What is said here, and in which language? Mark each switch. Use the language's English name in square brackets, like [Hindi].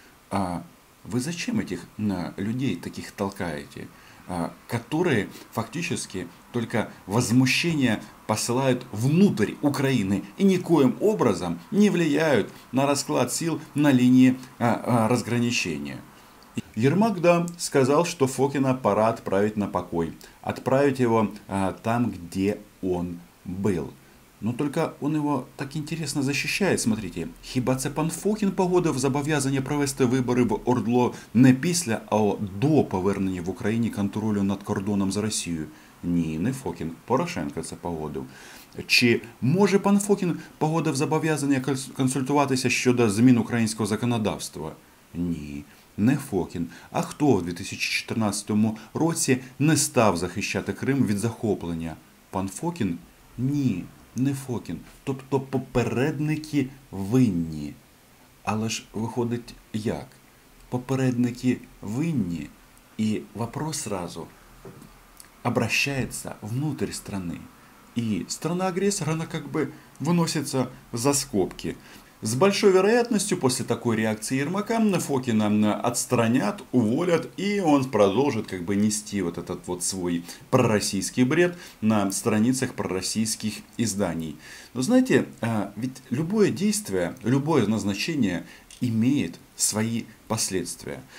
[Russian] Вы зачем этих людей таких толкаете, которые фактически только возмущение посылают внутрь Украины и никоим образом не влияют на расклад сил на линии разграничения? Ермак, да, сказал, что Фокина пора отправить на покой, отправить его там, где он был. Но только он его так интересно защищает. [Ukrainian] Смотрите, хіба це пан Фокін погодив зобов'язання провести вибори в Ордло не після, а до повернення в Україні контролю над кордоном з Росією? Ні, не Фокін, Порошенко це погодив. Чи може пан Фокін погодив зобов'язання консультуватися щодо змін українського законодавства? Ні, не Фокін. А хто в 2014 році не став захищати Крим від захоплення? Пан Фокін? Ні. Не Фокін, тобто попередники винні. Але ж виходить як? Попередники винні, і [Russian] вопрос сразу [Ukrainian] обращається [Russian] внутрь страны. [Ukrainian] І страна-агресор, вона [Russian] как бы [Ukrainian] виноситься за скобки. [Russian] С большой вероятностью после такой реакции Ермака Фокина отстранят, уволят, и он продолжит как бы нести вот этот вот свой пророссийский бред на страницах пророссийских изданий. Но знаете, ведь любое действие, любое назначение имеет свои последствия.